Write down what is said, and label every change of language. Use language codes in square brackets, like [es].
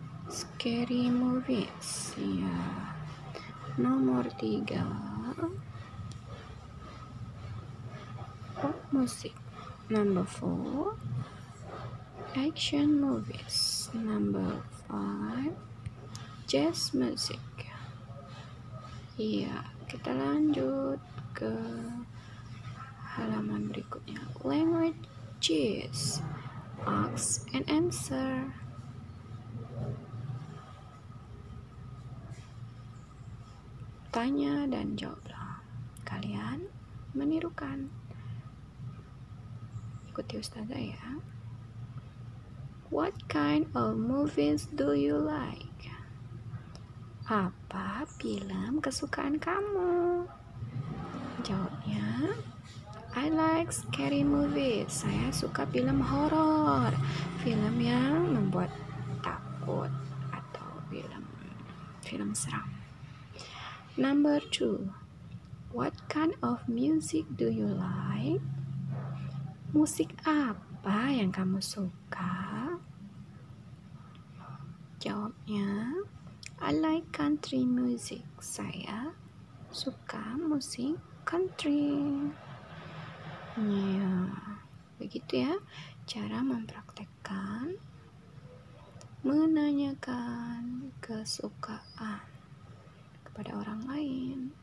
[en] Scary movies, ya. [id] Nomor 3, [en] pop music. Number 4, action movies. Number 5, jazz music. [id] Ya, kita lanjut ke halaman berikutnya. [en] Languages, ask and answer. [id] Tanya dan jawablah. Kalian menirukan. Ikuti ustazah ya. [en] What kind of movies do you like? [id] Apa film kesukaan kamu? Jawabnya, [en] I like scary movies. [id] Saya suka film horor. Film yang membuat takut atau film seram. [en] Number 2. What kind of music do you like? [id] Musik apa yang kamu suka? Jawabnya, [en] I like country music. [id] Saya suka musik country. Ya, begitu ya. Cara mempraktekkan menanyakan kesukaan pada orang lain.